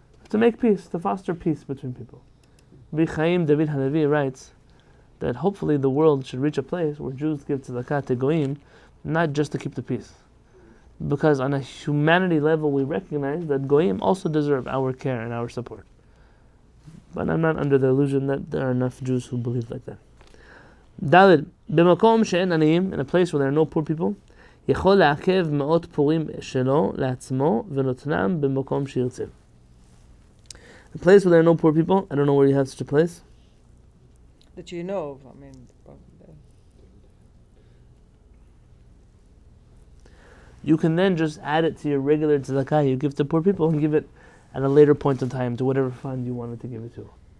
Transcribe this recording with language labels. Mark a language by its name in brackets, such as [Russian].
[English] To make peace, to foster peace between people. Rabbi Chaim David Halevi writes that hopefully the world should reach a place where Jews give tzedakah to goyim, not just to keep the peace. Because on a humanity level, we recognize that goyim also deserve our care and our support. But I'm not under the illusion that there are enough Jews who believe like that. [Hebrew] Dalit, b'makom she'en aniyim, [English] in a place where there are no poor people, [Hebrew] יכול לעכב מאות פורים שלו לעצמו ונותנם במקום שירצה. [English] A place where there are no poor people. I don't know where you have such a place. That you know of. I mean, you can then just add it to your regular tzedakah you give to poor people and give it at a later point in time to whatever fund you wanted to give it to.